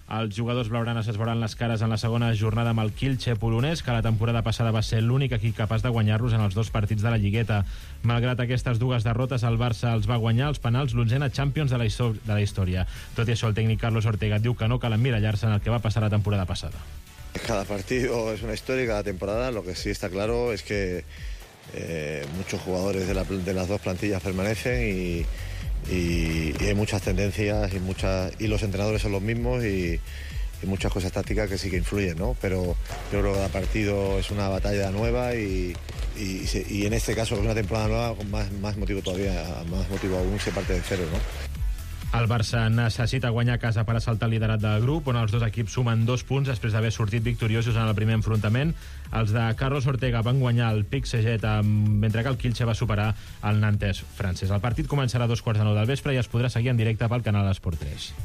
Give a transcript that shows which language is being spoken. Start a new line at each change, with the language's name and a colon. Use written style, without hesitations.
Catalan: Els jugadors blaugranes es veuran les cares en la segona jornada amb el Kielce polonès, que la temporada passada va ser l'únic equip capaç de guanyar-los en els dos partits de la Lligueta. Malgrat aquestes dues derrotes, el Barça els va guanyar als penals l'onzena Champions de la història. Tot i això, el tècnic Carlos Ortega diu que no cal emmirallar-se en el que va passar la temporada passada.
Spanish: Cada partido es una historia, cada temporada. Lo que sí está claro es que muchos jugadores de las dos plantillas permanecen y hay muchas tendencias y los entrenadores son los mismos y muchas cosas tácticas que sí que influyen, ¿no? Pero yo creo que cada partido es una batalla nueva y en este caso es una temporada nueva con más motivo aún se parte de cero, ¿no?
Catalan: El Barça necessita guanyar a casa per assaltar el liderat del grup, on els dos equips sumen dos punts després d'haver sortit victoriosos en el primer enfrontament. Els de Carlos Ortega van guanyar el PSG, mentre que el Kielce va superar el Nantes francès. El partit començarà a 8:45 del vespre i es podrà seguir en directe pel canal Esport 3.